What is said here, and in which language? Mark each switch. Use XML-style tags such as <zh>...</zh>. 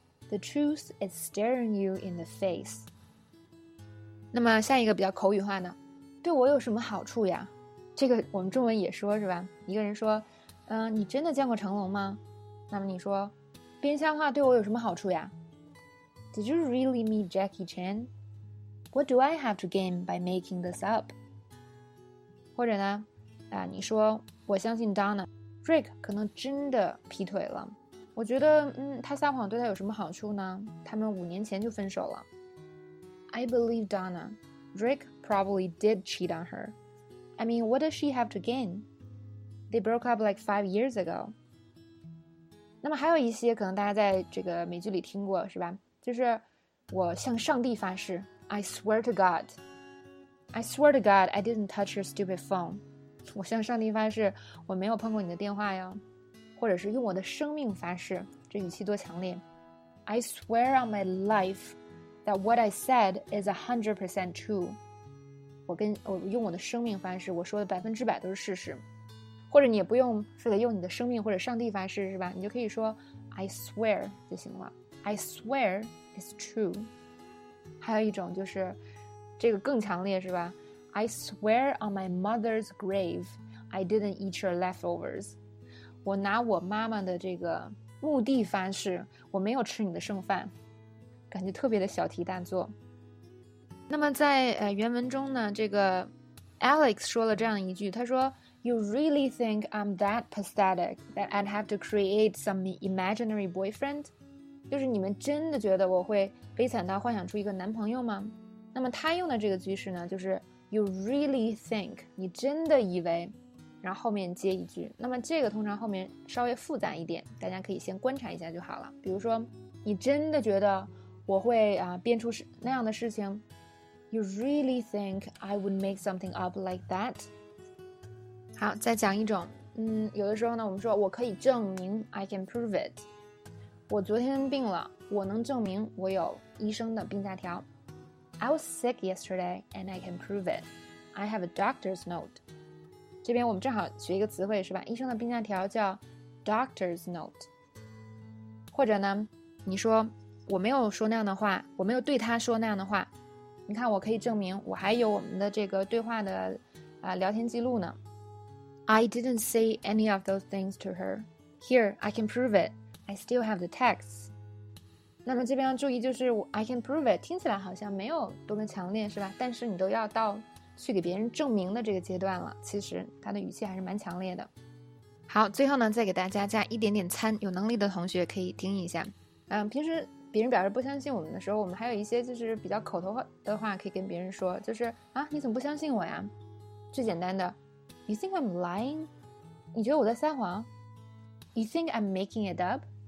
<en>The truth is staring you in the face.</en> <zh>那么下一个比较口语化呢？对我有什么好处呀？这个我们中文也说是吧？一个人说，你真的见过成龙吗？那么你说，编瞎话对我有什么好处呀 ？ Did you really meet Jackie Chan?</zh> <en>What do I have to gain by making this up?</en> <zh>或者呢？你说我相信 Donna Rick 可能真的劈腿了，我觉得他撒谎对他有什么好处呢？他们五年前就分手了。</zh> <en>I believe Donna Rick probably did cheat on her. I mean, what does she have to gain? They broke up like 5 years ago.</en> <zh>那么还有一些可能大家在这个美剧里听过是吧，就是我向上帝发誓， I swear to God I didn't touch your stupid phone. 我向上帝发誓，我没有碰过你的电话哟，或者是用我的生命发誓，这语气多强烈 ！ I swear on my life that what I said is 100% true。我用我的生命发誓，我说的100%都是事实。或者你也不用非得用你的生命或者上帝发誓，是吧？你就可以说 I swear 就行了。</zh> <en>I swear is true。</en> <zh>还有一种就是，这个更强烈，是吧？</zh> <en>I swear on my mother's grave, I didn't eat her leftovers.</en> <zh>我拿我妈妈的这个墓地发誓，我没有吃你的剩饭，感觉特别的小题大做。那么在原文中呢，这个 Alex 说了这样一句，他说 ： “You really think I'm that pathetic that I'd have to create some imaginary boyfriend？” 就是你们真的觉得我会悲惨到幻想出一个男朋友吗？那么他用的这个句式呢，就是。 You really think, 你真的以为，然后后面接一句。那么这个通常后面稍微复杂一点，大家可以先观察一下就好了。比如说，你真的觉得我会编出那样的事情？</zh> <en>You really think I would make something up like that?</en> <zh>好，再讲一种。嗯，有的时候呢，我们说我可以证明 ， I can prove it。我昨天病了，我能证明我有医生的病假条。</zh> <en>I was sick yesterday, and I can prove it. I have a doctor's note.</en> <zh>这边我们正好学一个词汇，是吧？医生的病假条叫 doctor's note。或者呢，你说我没有说那样的话，我没有对他说那样的话。你看，我可以证明我还有我们的这个对话的聊天记录呢。</zh> <en>I didn't say any of those things to her. Here, I can prove it. I still have the texts.</en> <zh>那么这边要注意就是 I can prove it 听起来好像没有多么强烈是吧？但是你都要到去给别人证明的这个阶段了，其实它的语气还是蛮强烈的。好，最后呢再给大家加一点点餐，有能力的同学可以听一下。平时别人表示不相信我们的时候，我们还有一些就是比较口头的话可以跟别人说，就是啊，你怎么不相信我呀？</zh> <en>最简单的 You think I'm lying?</en> <zh>你觉得我在撒谎?</zh> <en>You think I'm making it up?</en>